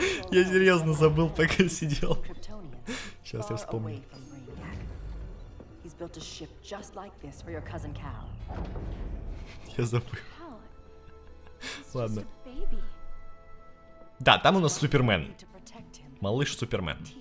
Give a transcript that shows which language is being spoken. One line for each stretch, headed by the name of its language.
Russian: Я серьезно забыл, пока сидел. Сейчас я вспомню.
English: Built a ship just like this for your cousin Cal.
Russian: Я забыл. Ладно. Да, там у нас Супермен. малыш Супермен.